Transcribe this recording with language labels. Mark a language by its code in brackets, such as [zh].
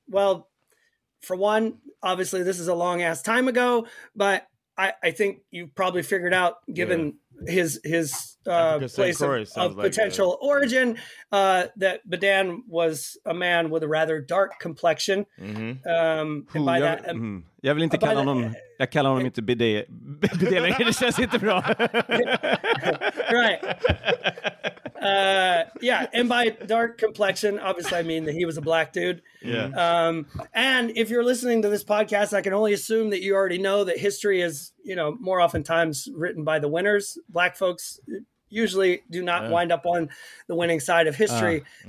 [en] Well, for one, obviously this is a long ass time ago, but I think you've probably figured out given. Yeah. His place of potential origin, that Badan was a man with a rather dark complexion. Mm-hmm. [sv] Jag vill inte kalla honom. Jag kallar honom inte Bidet längre. Det känns inte bra. [en] Right. And by dark complexion, obviously I mean that he was a black dude. Yeah. And if you're listening to this podcast, I can only assume that you already know that history is, you know, more oftentimes written by the winners. Black folks usually do not wind up on the winning side of history. Mm-hmm.